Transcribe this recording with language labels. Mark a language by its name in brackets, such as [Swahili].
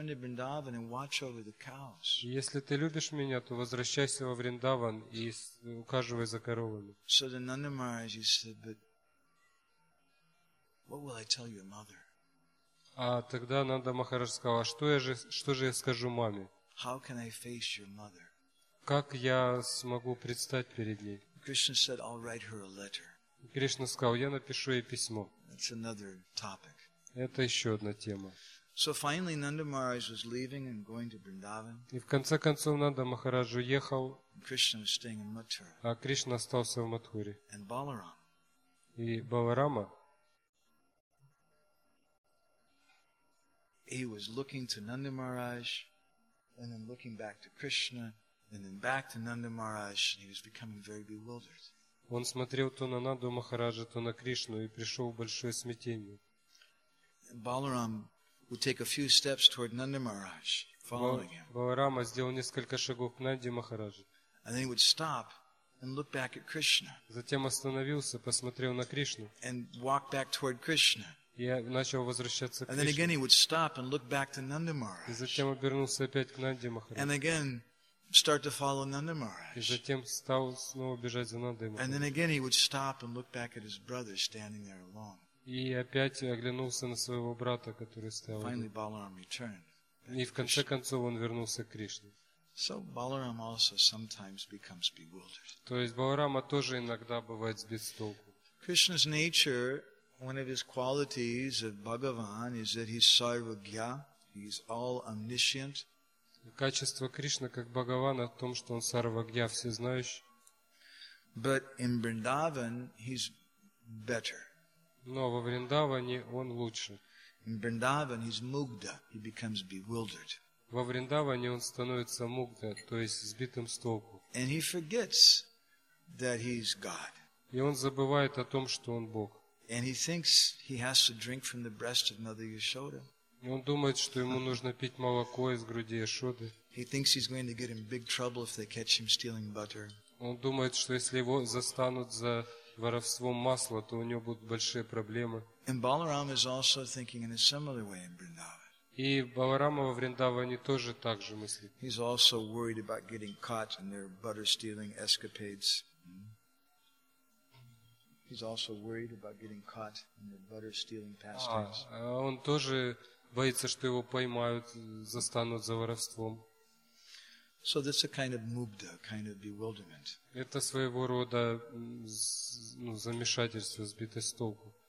[Russian] Если ты любишь меня, то возвращайся во Вриндаван и ухаживай за коровами. [English] So then Nanda Maharaj said, but what will I tell your mother? [Russian] А тогда Нанда Махарадж сказал, а что же я скажу маме? [English] How can I face your mother? [Russian] как я смогу предстать перед ней? [English] Krishna said, I'll write her a letter. [Russian] Кришна сказал, я напишу ей письмо. [English] It's another topic. [Russian] Это еще одна тема. [English] So finally, Nanda Maharaj was leaving and going to Vrindavan. [Russian] И в конце концов Нанда Махарадж уехал. [English] Krishna was staying in Mathura. [Russian] А Кришна остался в Матхуре. [English] And Balaram. [Russian] И Баларама. [English] He was looking to Nanda Maharaj, and then looking back to Krishna, and then back to Nanda Maharaj, and he was becoming very bewildered. [Russian] Он смотрел то на Нанду Махараджа, то на Кришну и пришел в большое смятение. [English] Balaram would take a few steps toward Nanda Maharaj, following him. [Russian] Баларама сделал несколько шагов к Нанде Махараджу. [English] And then he would stop and look back at Krishna. [Russian] Затем остановился, посмотрел на Кришну. [English] And walk back toward Krishna. [Russian] И начал возвращаться к Кришне. [English] And then again he would stop and look back to Nanda Maharaj. [Russian] И затем обернулся опять к Нанде Махараджу. [English] And again start to follow Nanda Maharaj. [Russian] И затем стал снова бежать за Нандой Махараджу. [English] And then again he would stop and look back at his brother standing there alone. [Russian] И опять оглянулся на своего брата, который стоял. [English] Finally Balaram returned. [Russian] И в конце концов он вернулся к Кришне. [English] So Balaram also sometimes becomes bewildered. [Russian] То есть Баларама тоже иногда бывает сбит с толку. [English] Krishna's nature, one of his qualities of Bhagavan is that he's sarvajna, he's all omniscient. [Russian] Качество Кришны как Бхагавана в том, что он сарвагья, всезнающий. [English] But in Vrindavan he's better. [Russian] Но во Вриндаване он лучше. [English] In Vrindavan he's mugda, he becomes bewildered. [Russian] Во Вриндаване он становится мугда, то есть сбитым с толку. [English] And he forgets that he's God. [Russian] И он забывает о том, что он Бог. [English] And he thinks he has to drink from the breast of Mother Yashoda. [Russian] Он думает, что ему нужно пить молоко из груди Яшоды. [English] He thinks he's going to get in big trouble if they catch him stealing butter. [Russian] Он думает, что если его застанут за воровством масла, то у него будут большие проблемы. [English] And Balaram is also thinking in a similar way in Vrindavan. [Russian] И Баларама во Вриндаване тоже так же мыслит. [English] He's also worried about getting caught in their butter stealing escapades. He's also worried about getting caught in the butter stealing pastimes. [Russian] Он тоже боится, что его поймают, застанут за воровством. [English] So that's a kind of mugda, kind of bewilderment. [Russian] Это своего рода замешательство, сбитость с толку.